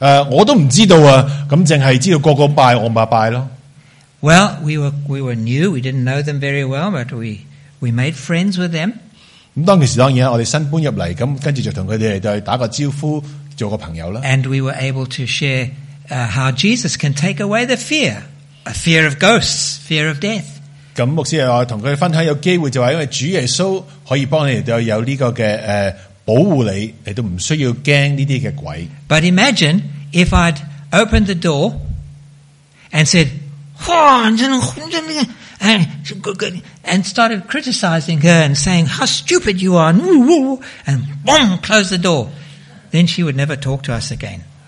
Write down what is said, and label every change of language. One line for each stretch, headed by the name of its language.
Cantonese: 我都唔知道啊，咁净系知道个个拜，我咪拜咯。
English: Well, we were new, we didn't know them very well, but we made friends with them.
Cantonese: 咁当其时当然啦，我哋新搬入嚟，咁跟住就同佢哋就打个招呼。做个朋友啦。
English: And we were able to share how Jesus can take away the fear, a fear of ghosts, fear of death.
Cantonese: 咁牧师又话同佢分享有机会就话，因为主耶稣可以帮你哋有呢个嘅保护你，你都唔需要惊呢啲嘅鬼。
English: But imagine if I'd opened the door and said, and started criticizing her and saying how stupid you are, and boom, close the door. Then she would never talk to us again.